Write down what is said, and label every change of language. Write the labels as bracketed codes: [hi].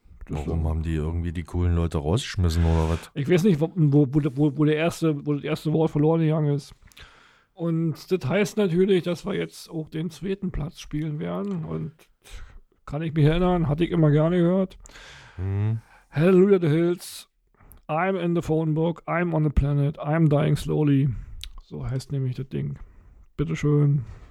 [de] Warum haben die irgendwie die coolen Leute rausgeschmissen oder was? Ich weiß nicht, wo das erste Wort verloren gegangen ist. Und das heißt natürlich, dass wir jetzt auch den zweiten Platz spielen werden. Und kann ich mich erinnern, hatte ich immer gerne gehört. [en] Hallelujah the Hills, I'm in the phone book, I'm on the planet, I'm dying slowly. [de] So heißt nämlich das Ding. Bitteschön.